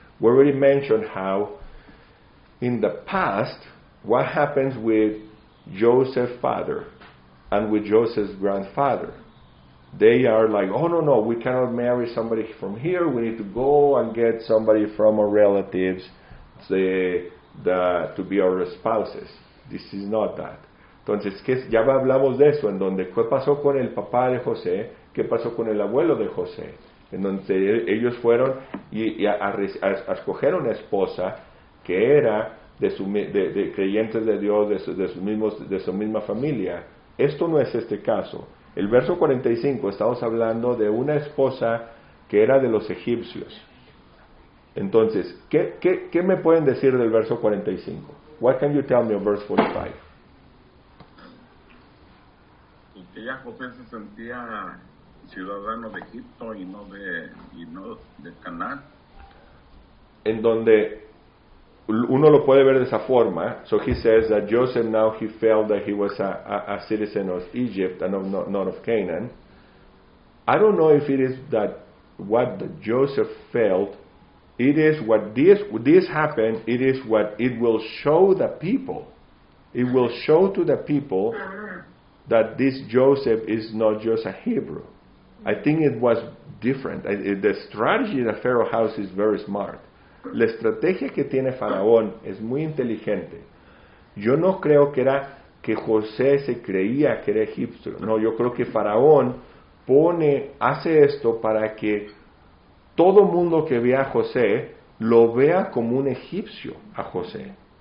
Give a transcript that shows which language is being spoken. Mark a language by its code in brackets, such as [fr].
[en] We already mentioned how in the past, what happens with Joseph's father and with Joseph's grandfather? They are like, oh, no, we cannot marry somebody from here. We need to go and get somebody from our relatives to be our spouses. This is not that. [es] Entonces, ¿qué? Ya hablamos de eso, en donde, ¿qué pasó con el papá de José? ¿Qué pasó con el abuelo de José? En donde ellos fueron y a escoger una esposa que era de creyentes de Dios, de su misma familia. Esto no es este caso. El verso 45, estamos hablando de una esposa que era de los egipcios. Entonces, ¿qué me pueden decir del verso 45? [en] What can you tell me of verse 45? [es] Ella, José, se sentía ciudadano de Egipto y no de Canaán. En donde uno lo puede ver de esa forma. [en] So he says that Joseph now he felt that he was a citizen of Egypt and not of Canaan. I don't know if it is that what Joseph felt. It is what this happened. It is what it will show the people. It will show to the people that this Joseph is not just a Hebrew. I think it was different. The strategy that Pharaoh has is very smart. [es] la estrategia que tiene Faraón es muy inteligente. Yo no creo que era que José se creía que era egipcio. No, yo creo que Faraón pone, hace esto para que todo mundo que vea a José lo vea como un egipcio a José.